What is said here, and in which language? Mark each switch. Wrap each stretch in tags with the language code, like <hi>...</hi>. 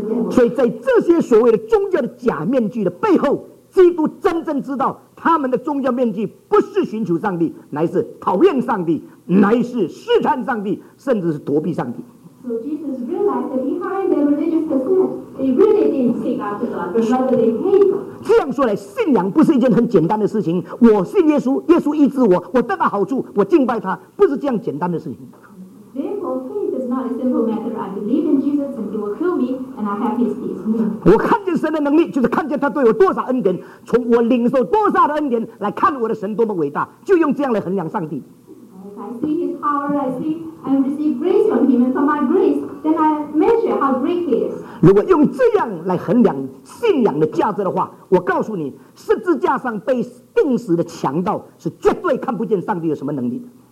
<zh>所以在这些所谓的宗教的假面具的背后，基督真正知道他们的宗教面具不是寻求上帝，乃是讨厌上帝，乃是试探上帝，甚至是躲避上帝。</zh> <en>So Jesus realized that behind their religious pretense, they really didn't seek after God, but rather they hate God.</en> <zh>这样说来，信仰不是一件很简单的事情。我信耶稣，耶稣医治我，我得到好处，我敬拜他，不是这样简单的事情。</zh> <en>Therefore, faith is not a simple matter. I believe in Jesus and he will kill me, and I have his peace. I see God's</en> <zh>神的能力，就是看见他对我多少恩典，从我领受多少的恩典来看我的神多么伟大，就用这样来衡量上帝。</zh> <en>If I see his power, I receive grace from him, and from my grace, then I measure how great he is.</en> <zh>如果用这样来衡量信仰的价值的话，我告诉你，十字架上被钉死的强盗是绝对看不见上帝有什么能力的。</zh>